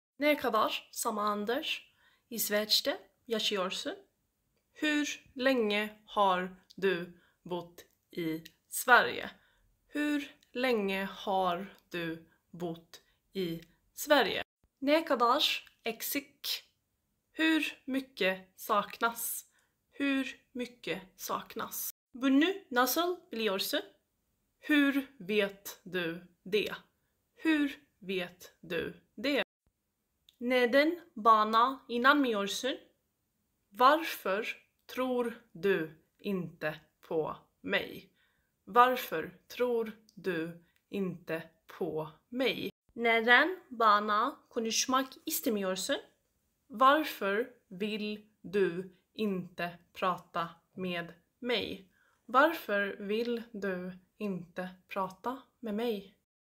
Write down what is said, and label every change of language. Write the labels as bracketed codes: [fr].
[tr] Ne kadar zamandır İsveç'te yaşıyorsun? [sv] Hur länge har du bott i Sverige? Hur länge har du bott i Sverige? [tr] Ne kadar eksik? [sv] Hur mycket saknas? Hur mycket saknas? [tr] Bunu nasıl biliyorsun? [sv] Hur vet du det? Hur vet du det? [tr] Neden bana inanmıyorsun? [sv] Varför tror du inte på mig? Varför tror du inte på mig? [tr] Neden bana konuşmak istemiyorsun? [sv] Varför vill du inte prata med mig? Varför vill du inte prata med mig?